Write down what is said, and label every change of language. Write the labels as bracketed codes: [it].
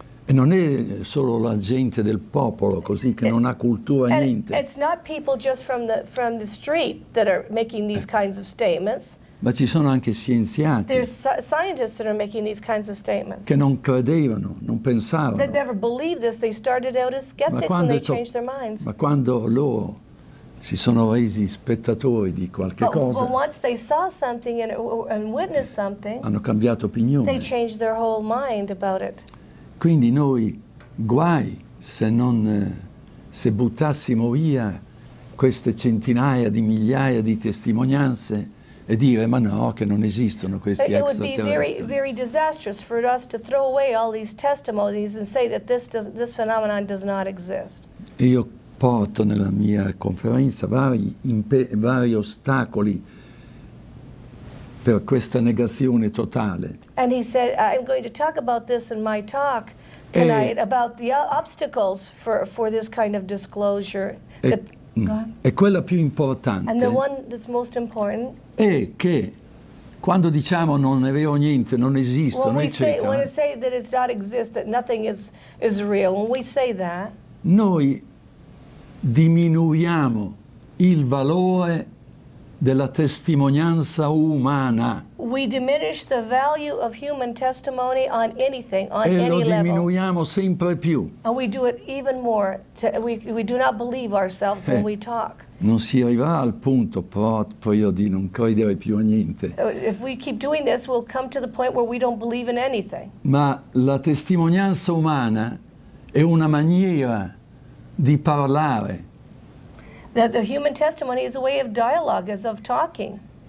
[it] E non è solo la gente del popolo così che non ha cultura [en] and [it] niente. [en] It's not people just from the street that are making these kinds of statements. [it] Ma ci sono anche scienziati. [en] There's scientists that are making these kinds of statements. [it] Che non credevano, non pensavano. [en] They never believed this. They started out as skeptics and they changed their minds. [it] Ma quando loro si sono resi spettatori di qualche cosa. [en] But once they saw something and witnessed something. [it] Hanno cambiato opinione. [en] They changed their whole mind about it. [it] Quindi noi guai se buttassimo via queste centinaia di migliaia di testimonianze e dire ma no che non esistono questi extraterrestri. [en] It would be very, very disastrous for us to throw away all these testimonies and say that this phenomenon does not exist. [it] Io porto nella mia conferenza vari ostacoli per questa negazione totale. [en] And he said, I'm going to talk about this in my talk. Tonight, about the obstacles for this kind of disclosure. [it] E quella più importante. [en] And the one that's most important. [it] È che quando diciamo non ne vedo niente, non esisto, [en] when [it] non eccetera. [en] When we say that it does not exist, that nothing is real, when we say that. [it] Noi diminuiamo il valore della testimonianza umana. [en] We diminish the value of human testimony on anything, on [it] e [en] any level. [it] E lo diminuiamo [en] level. [it] Sempre più. [en] And we do it even more. We do not believe ourselves when we talk. [it] Non si arriva al punto proprio di non credere più a niente. [en] If we keep doing this, we'll come to the point where we don't believe in anything. [it] Ma la testimonianza umana è una maniera di parlare. [en] That the human testimony is a way of dialogue, is of talking.